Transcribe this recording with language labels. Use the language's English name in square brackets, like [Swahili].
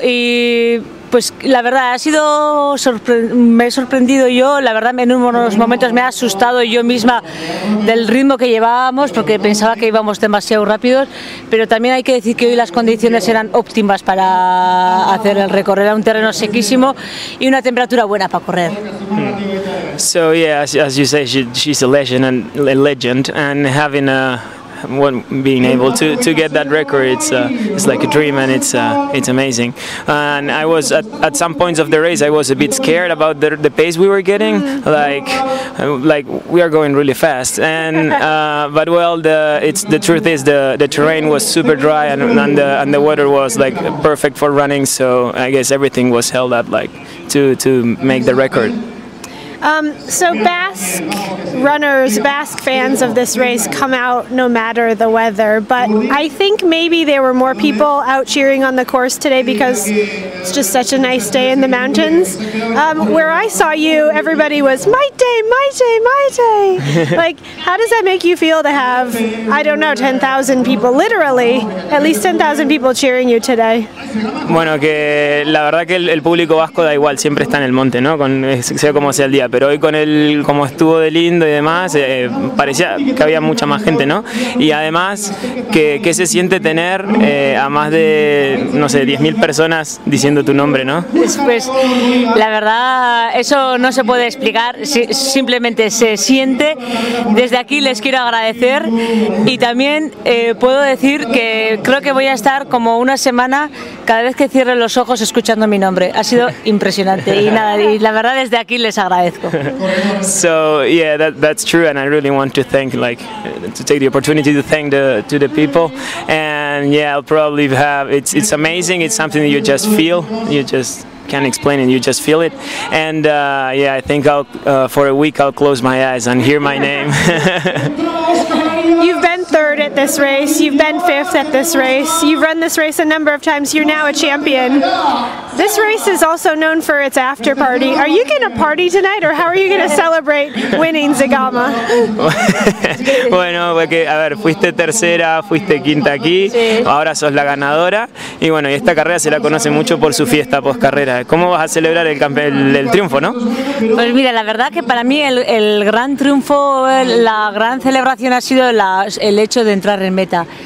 [Spanish] Y pues la verdad ha sido me he sorprendido yo, la verdad en unos momentos me he asustado yo misma del ritmo que llevábamos, porque pensaba que íbamos demasiado rápidos, pero también hay que decir que hoy las condiciones eran óptimas para hacer el recorrido, era un terreno sequísimo y una temperatura buena para correr. [English] So yeah, as you say, she's a legend and having a being able to get that record, it's like a dream, and it's amazing. And I was at some points of the race, I was a bit scared about the pace we were getting, like we are going really fast. And but well, the truth is the terrain was super dry, and the water was like perfect for running. So I guess everything was held up, like to make the record. So Basque runners, Basque fans of this race come out no matter the weather, but I think maybe there were more people out cheering on the course today because it's just such a nice day in the mountains. Where I saw you, everybody was, Maite, Maite, Maite! Like, how does that make you feel to have, I don't know, 10,000 people, literally, at least 10,000 people cheering you today? [Spanish] Bueno, que la verdad que el público vasco da igual, siempre está en el monte, ¿no? Sea como sea el día. Pero hoy con el como estuvo de lindo y demás, parecía que había mucha más gente, ¿no? Y además, ¿qué se siente tener a más de, no sé, 10.000 personas diciendo tu nombre, ¿no? Pues la verdad, eso no se puede explicar, simplemente se siente. Desde aquí les quiero agradecer, y también puedo decir que creo que voy a estar como una semana cada vez que cierre los ojos escuchando mi nombre. Ha sido impresionante, y nada, y la verdad desde aquí les agradezco. [English] So yeah, that's true, and I really want to thank, like, to take the opportunity to thank the people, and yeah, I'll probably have it's amazing. It's something that you just feel, you just can't explain it, you just feel it, and yeah, I think I'll for a week I'll close my eyes and hear my name. You've been third third at this race, you've been fifth at this race, you've run this race a number of times, you're now a champion. This race is also known for its after party. Are you going to party tonight, or how are you going to celebrate winning Zegama? [Spanish] Bueno, porque, a ver, fuiste tercera, fuiste quinta aquí, ahora sos la ganadora, y bueno, y esta carrera se la conoce mucho por su fiesta post-carrera. ¿Cómo vas a celebrar el triunfo, no? Pues mira, la verdad que para mí el gran triunfo, la gran celebración ha sido el hecho de entrar en meta.